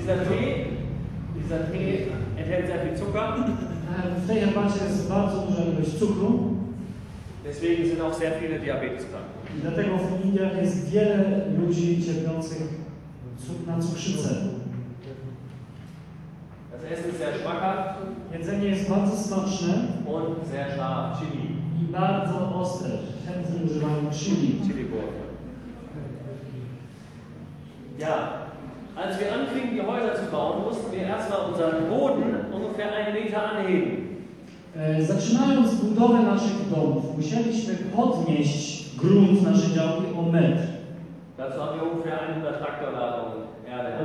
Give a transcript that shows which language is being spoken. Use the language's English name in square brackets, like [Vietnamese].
[German] Dieser Tee enthält sehr viel Zucker. [Polish] W tej herbacie jest bardzo duża ilość cukru. [German] Deswegen sind auch sehr viele Diabetes krank. [Polish] Dlatego w Indiach jest wiele ludzi cierpiących na cukrzycę. [German] Das Essen ist sehr schmackhaft. [Polish] Jedzenie jest bardzo smaczne. [German] Und sehr scharf, chili. [Polish] I bardzo ostre. Chętnie używają chili. [German] Chili Bohr. Ja. Als wir anfingen, die Häuser zu bauen, mussten wir erstmal unseren Boden ungefähr einen Meter anheben. [Polish] Zaczynając budowę naszych domów, musieliśmy podnieść grunt naszej działki o metr. [German] Dazu haben wir ungefähr 100 Traktorladungen Erde.